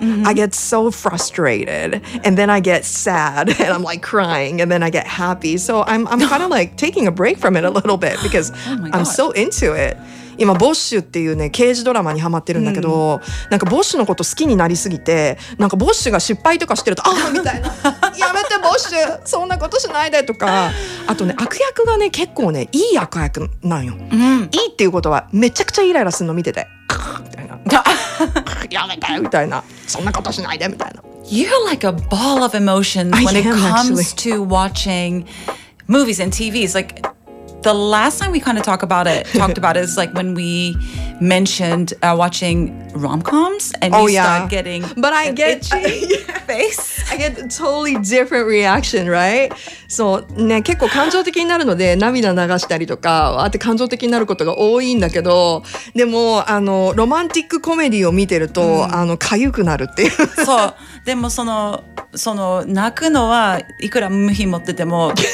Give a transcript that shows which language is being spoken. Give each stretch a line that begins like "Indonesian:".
English: I get so frustrated and then I get sad and I'm like crying and then I get happy. So I'm kind of like taking a break from it a little bit because I'm so into it.
Japanese: 今ボッシュっていうね、刑事ドラマにハマってるんだけど、なんかボッシュのこと好きになりすぎて、なんかボッシュが失敗とかしてると、あーみたいな。やめてボッシュ、そんなことしないでとか。あとね、悪役がね、結構ね、いい悪役なんよ。いいっていうことは、めちゃくちゃイライラするの見てて、クーみたいな。やめてみたいな。そんなことしないでみたいな。
English: You're like a ball of emotions when it comes to watching movies and TVs. Like,The last time we kind of talked about it is like when we mentioned watching rom-coms and start getting But I an get, itchy face. I get a totally different reaction, right?
Japanese: So, ね、結構感情的になるので涙流したりとか、あって感情的になることが多いんだけど、でもあのロマンティックコメディを見てると、あの痒くなるっていう。そう。でもその泣くのはいくら無比持ってても